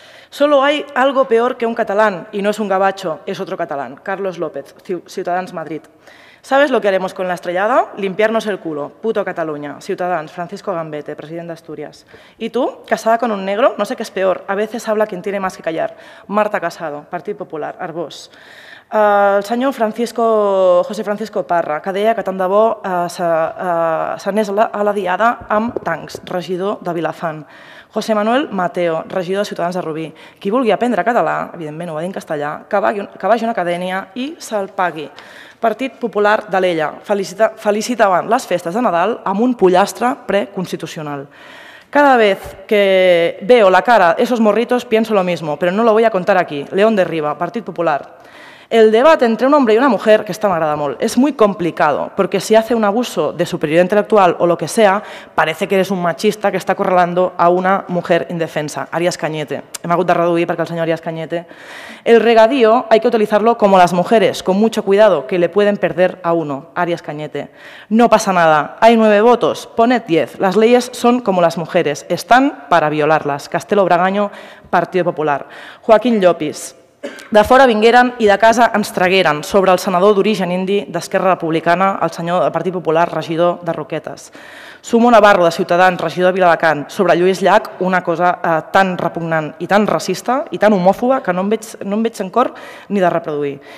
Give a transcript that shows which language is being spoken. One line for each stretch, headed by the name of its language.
Spanish: Solo hay algo peor que un catalán, y no es un gabacho, es otro catalán. Carlos López, Ciutadans Madrid. ¿Sabes lo que haremos con la estrellada? Limpiarnos el culo. Puto Cataluña. Ciutadans, Francisco Gambete, presidente de Asturias. ¿Y tú? ¿Casada con un negro? No sé qué es peor. A veces habla quien tiene más que callar. Marta Casado, Partido Popular, Arbós.
Catalan: El senyor Francisco, José Francisco Parra, que deia que tant de bo s'anés a la diada amb tancs, regidor de Vilafant. José Manuel Mateo, regidor de Ciutadans de Rubí. Qui vulgui aprendre català, evidentment ho va dir en castellà, que vagi a una acadèmia i se'l pagui. Partit Popular d'Alella, felicitaven les festes de Nadal amb un pollastre preconstitucional.
Spanish: Cada vez que veo la cara de esos morritos pienso lo mismo, pero no lo voy a contar aquí. León de Riba, Partit Popular. El debate entre un hombre y una mujer, que esta
Catalan: m'agrada molt,
Spanish: es muy complicado, porque si hace un abuso de superioridad intelectual o lo que sea, parece que eres un machista que está acorralando a una mujer indefensa. Arias Cañete.
Catalan: Hem hagut de reduir perquè el senyor Arias Cañete.
Spanish: El regadío hay que utilizarlo como las mujeres, con mucho cuidado, que le pueden perder a uno. Arias Cañete. No pasa nada. Hay 9 votos. Poned 10. Las leyes son como las mujeres. Están para violarlas. Castelo Bragaño, Partido Popular. Joaquín Llopis.
Catalan: De fora vingueren i de casa ens tragueren sobre el senador d'origen indi d'Esquerra Republicana, el senyor del Partit Popular, regidor de Roquetes. Sumo Navarro, de Ciutadans, regidor de Viladecans, sobre Lluís Llach, una cosa tan repugnant i tan racista i tan homòfoba que no em veig en cor ni de reproduir.